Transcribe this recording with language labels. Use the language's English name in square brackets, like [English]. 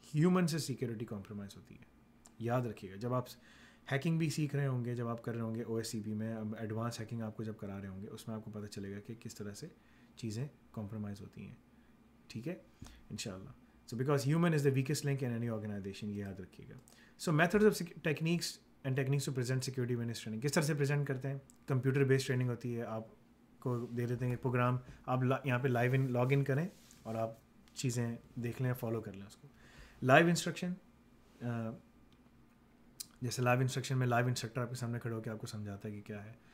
[Urdu] Human سے security compromise ہوتی ہے. یاد رکھیے گا, جب آپ ہیکنگ بھی سیکھ رہے ہوں گے, جب آپ کر رہے ہوں گے او ایس سی پی میں, ایڈوانس ہیکنگ آپ کو جب کرا رہے ہوں گے, اس میں آپ کو پتہ چلے گا کہ کس طرح سے چیزیں کمپرومائز ہوتی ہیں. ٹھیک ہے. ان شاء اللہ. [English] so because human is the weakest link in any organisation, [Urdu] یہ یاد رکھیے گا. [English] so methods of techniques and techniques to present security awareness training, [Urdu] کس طرح سے پریزنٹ کرتے ہیں؟ کمپیوٹر بیسڈ ٹریننگ ہوتی ہے. آپ کو دے دیتے ہیں پروگرام, آپ یہاں پہ لائیو ان لاگ ان کریں اور آپ چیزیں دیکھ لیں, فالو کر لیں اس کو. لائیو انسٹرکشن, جیسے لائیو انسٹرکشن میں لائیو انسٹرکٹر آپ کے سامنے کھڑے ہو کے آپ کو سمجھاتا ہے کہ کیا ہے.